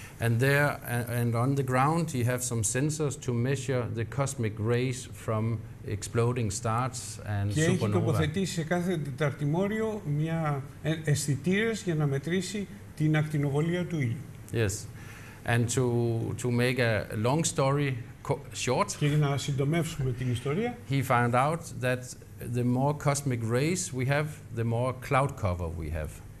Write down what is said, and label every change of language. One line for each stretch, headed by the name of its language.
English: And there and on the ground you have some sensors to measure the cosmic rays from exploding stars and supernova.
Greek: Και έχει τοποθετήσει σε κάθε τεταρτημόριο μια αισθητήρες για να μετρήσει την ακτινοβολία του ήλιου.
English: Yes. And to make a long story short.
Greek: Και για να συντομεύσουμε την ιστορία.
English: He found out that the more cosmic rays we have, the more cloud cover we have.